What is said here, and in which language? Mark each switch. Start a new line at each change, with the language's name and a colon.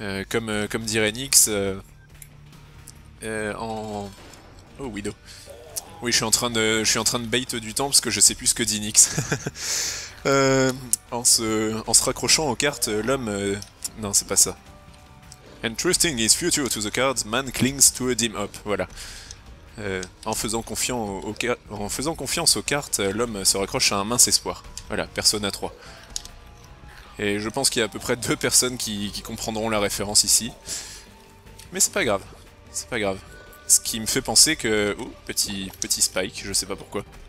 French: Comme dirait Nyx, en... Oh, Widow. Oui, je suis en train de bait du temps parce que je sais plus ce que dit Nyx. En se raccrochant aux cartes, l'homme... Non, c'est pas ça.
English: Entrusting his future to the cards, man clings to a dim hope.
French: Voilà. En faisant confiance aux cartes, l'homme se raccroche à un mince espoir. Voilà, personne à 3. Et je pense qu'il y a à peu près 2 personnes qui comprendront la référence ici. Mais c'est pas grave. C'est pas grave. Ce qui me fait penser que... Oh, petit spike, je sais pas pourquoi.